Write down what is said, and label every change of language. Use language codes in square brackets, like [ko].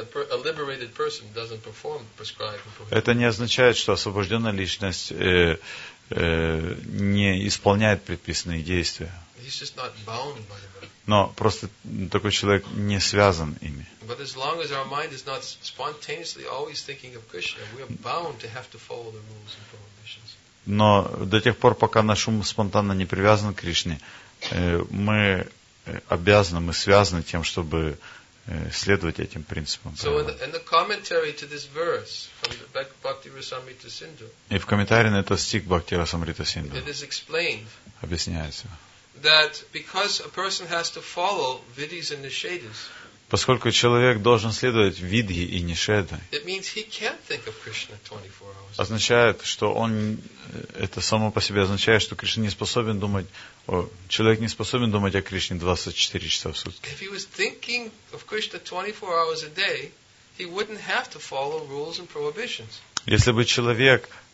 [en] A liberated person doesn't perform prescribed and prohibited. [ru] Это не означает, что освобожденная личность не исполняет предписанные действия. [en] He's just not bound by them. [ru] Но просто такой человек не связан ими. [en] But as long as our mind is not spontaneously always thinking of Krishna, we are bound to have to follow the rules and prohibitions. [ru] Но до тех пор, пока наш ум спонтанно не привязан к Кришне, мы обязаны, мы связаны тем, чтобы следовать этим принципам. [en] So in the commentary to this verse from the Bhakti Rasamrita Sindhu. [ru] И в комментарии на этот стих Бхакти Расамрита Синдху. [en] It is explained. [ru] Объясняется. [en] That because a person has to follow vidhis and nishedas. [ru] Поскольку человек должен следовать видхи и нишеды. [en] It means he can't think of Krishna 24 hours. [ru] Означает, что он это само по себе означает, что Кришна не способен думать о человек не способен думать о Кришне 24 часа в сутки. [en] If he was thinking of Krishna 24 hours a day, he wouldn't have to follow rules and prohibitions. [ru] Если бы человек